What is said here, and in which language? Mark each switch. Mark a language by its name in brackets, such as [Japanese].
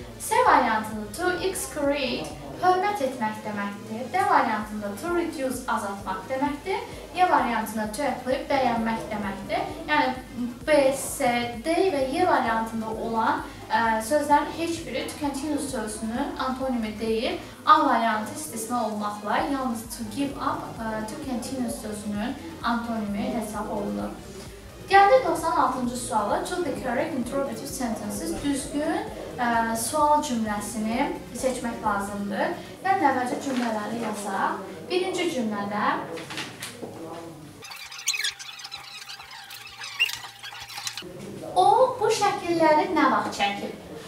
[Azerbaijani] C variantında to excrete, hörmət etmək deməkdir. D variantında to reduce, azaltmaq deməkdir. Y variantında to apply, bəyənmək deməkdir. Yəni B, C, D və Y variantında olan sözlərin heç biri to continue sözünün antonimi deyil. A variantı istisna olmaqla yalnız to give up, to continue sözünün antonimi hesab olunur. Gəldik 96-cı suala. [English] Choose the correct interrogative sentences. [Azerbaijani] Düzgün sual cümləsini seçmək lazımdır. Mən əvvəlcə cümlələri yazaq. Birinci cümlədə o bu şəkilləri nə vaxt çəkib?